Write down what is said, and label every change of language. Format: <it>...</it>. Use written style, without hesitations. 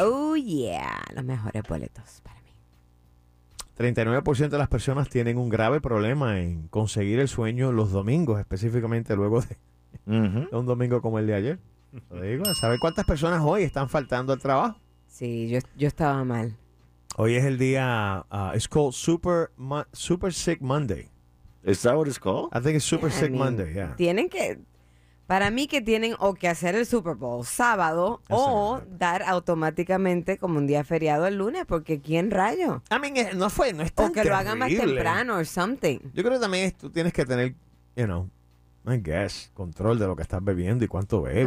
<es>Oh yeah, los mejores boletos para mí. 39% de las personas tienen un grave problema en conseguir el sueño los domingos, específicamente luego de un domingo como el de ayer. Lo digo, ¿sabe cuántas personas hoy están faltando al trabajo? Sí, yo estaba mal. Hoy es el día,</es> <en>it's called Super Sick Monday. Is that what it's called? I think it's Super Sick Monday, yeah.</en> <es>Tienen que... Para mí que tienen o que hacer el Super Bowl sábado o dar automáticamente como un día feriado el lunes, porque ¿quién rayo?</es> <en>I mean,</en> <es>no es tan terrible. O que lo hagan más temprano</es> <en>or something.</en> <es>Yo creo que también tú tienes que tener,</es> <en>you know, I guess,</en> <es>control de lo que estás bebiendo y cuánto bebes.</es>